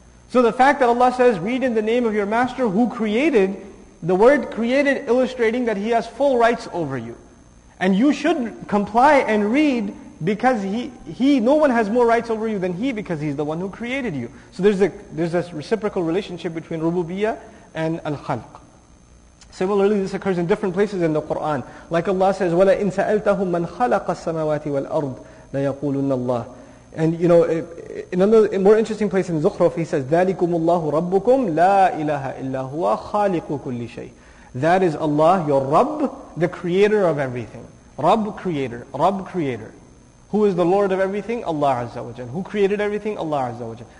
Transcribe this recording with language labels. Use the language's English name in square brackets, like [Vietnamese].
[English] So the fact that Allah says, read in the name of your master who created, the word created illustrating that He has full rights over you. And you should comply and read because he no one has more rights over you than He, because He's the one who created you. So there's this reciprocal relationship between rububiyyah and al-khalq. Similarly, this occurs in different places in the Qur'an. Like Allah says, [Arabic] وَلَا إِن سَأَلْتَهُمْ مَنْ خَلَقَ السَّمَاوَاتِ وَالْأَرْضِ لَيَقُولُنَّ اللَّهِ. [English] And you know, in another more interesting place in Zukhruf, He says, [Arabic] ذَلِكُمُ اللَّهُ رَبُّكُمْ لَا إِلَهَ إِلَّا هُوَ خَالِقُ كُلِّ شَيْءٍ. [English] That is Allah, your Rabb, the creator of everything. Rabb creator. Who is the Lord of everything? Allah Azza wa Jalla. Who created everything? Allah Azza wa Jalla.